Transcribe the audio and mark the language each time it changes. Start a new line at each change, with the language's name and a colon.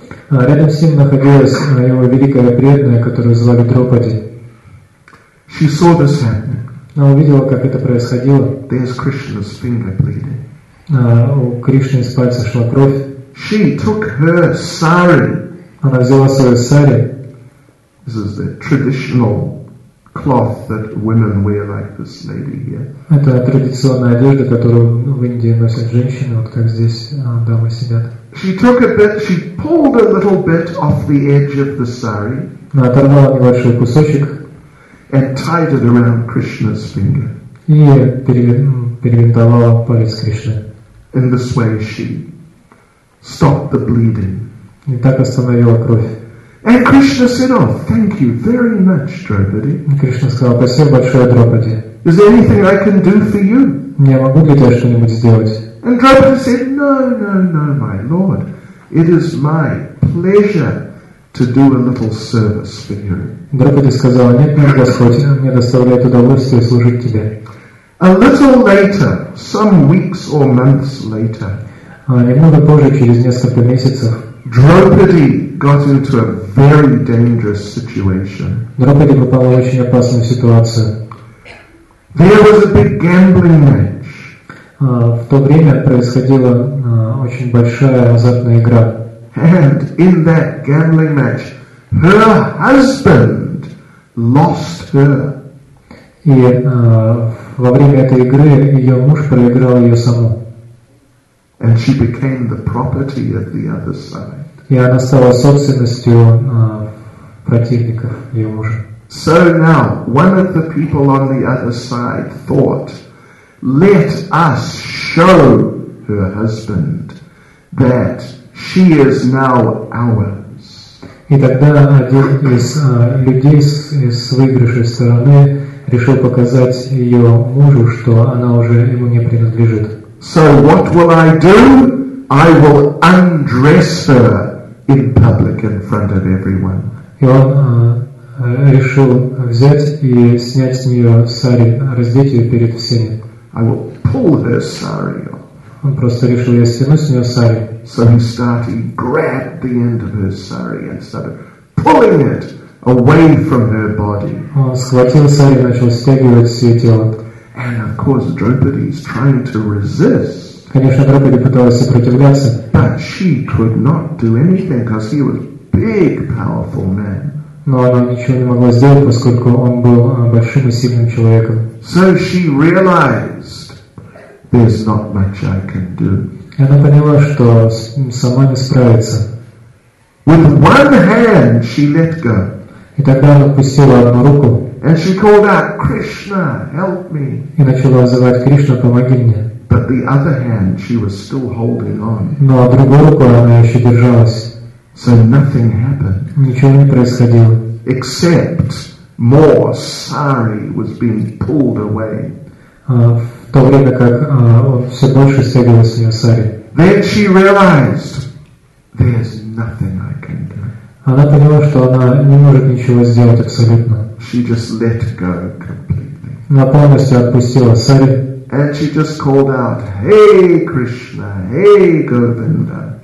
Russian: Рядом с ним находилась его великая преданная, которую звали Дропади.
English: She saw this happening.
Russian: Она увидела, как это происходило.
English: There's Krishna's finger bleeding.
Russian: У Кришны из пальца шла кровь.
English: She took her sari.
Russian: Она взяла свою сари.
English: This is the traditional cloth that women wear, like this lady here.
Russian: Это традиционная одежда, которую в Индии носят женщины, вот как здесь дамы сидят.
English: She took a bit, she pulled a little bit off the edge of the sari.
Russian: Она оторвала небольшой кусочек.
English: And tied it around Krishna's finger.
Russian: И перевинтовала палец Кришны.
English: In this way she stopped the bleeding.
Russian: И так остановила кровь.
English: And Krishna said, "Oh, thank you very much, Draupadi."
Russian: Кришна сказал, спасибо большое, Драупади.
English: Is there anything I can do for you?
Russian: Я могу для тебя что-нибудь сделать?
English: And Draupadi said, no, my lord. It is my pleasure to do a little service for you.
Russian: Draupadi сказала, нет, Господь, мне доставляет удовольствие служить тебе.
English: A little later, some weeks or months later,
Russian: немного позже, через несколько месяцев,
English: Draupadi got into a very dangerous situation.
Russian: Draupadi попала в очень опасную ситуацию.
English: There was a big gambling match.
Russian: В то время происходила очень большая азартная игра.
English: And in that gambling match, her husband lost her.
Russian: И во время этой игры ее муж проиграл ее саму.
English: And she became the property of the other side.
Russian: И она стала собственностью противников ее мужа.
English: So now, one of the people on the other side thought, let us show her husband that she is now ours.
Russian: И тогда один из людей с выигрышей стороны решил показать ее мужу, что она уже ему не принадлежит.
English: So what will I do? I will undress her in public in front of everyone.
Russian: И он решил взять и снять с нее сари, раздеть ее перед всеми.
English: I will pull her sari off.
Russian: Он просто решил, я стяну с нее сари.
English: So he started, he grabbed the end of her sari and started pulling it away from her body.
Russian: Он схватил сари и начал стягивать с ее тела.
English: And of course Draupadi is trying to resist.
Russian: Конечно, Драупади пыталась сопротивляться.
English: But she could not do anything because he was a big, powerful man.
Russian: Но она ничего не могла сделать, поскольку он был большим и сильным человеком.
English: So she realized, there's not much I can do.
Russian: И она поняла, что сама не справится.
English: With one hand she let go.
Russian: И тогда она отпустила одну руку.
English: And she called out, Krishna, help me.
Russian: И начала звать, Кришна, помоги мне.
English: But the other hand she was still holding on.
Russian: Но другой рукой она еще держалась.
English: So nothing happened.
Russian: Ничего не происходило.
English: Except more sari was being pulled away.
Russian: В то время как все больше стягивалось у нее сари.
English: Then she realized there's nothing I can do.
Russian: Она поняла, что она не может ничего сделать абсолютно.
English: She just let go completely.
Russian: Она полностью отпустила сари.
English: And she just called out, "Hey Krishna, hey Govinda."